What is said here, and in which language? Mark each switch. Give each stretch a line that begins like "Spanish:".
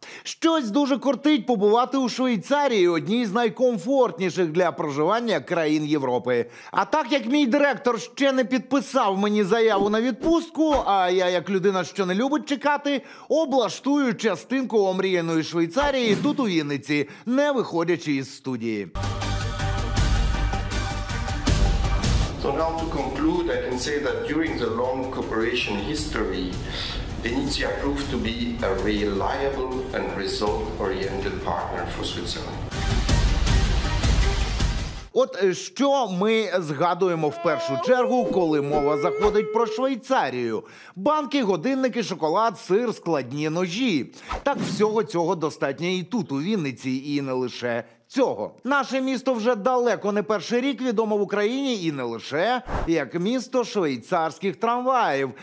Ukrainian: Щось дуже кортить побувати у Швейцарії, одній з найкомфортніших для проживання країн Європи. А так як мій директор ще не підписав мені заяву на відпустку, а я як людина, що не любить чекати, облаштую частинку омріяної Швейцарії тут у Вінниці, не виходячи із студії.
English: So now to conclude, I can say that during the long cooperation history, Venezia proved to be a reliable and result-oriented partner for Switzerland.
Ukrainian: От що ми згадуємо в першу чергу, коли мова заходить про Швейцарію? Банки, годинники, шоколад, сир, складні ножі. Так всього цього достатньо і тут, у Вінниці, і не лише цього. Наше місто вже далеко не перший рік відомо в Україні і не лише як місто швейцарських трамваїв.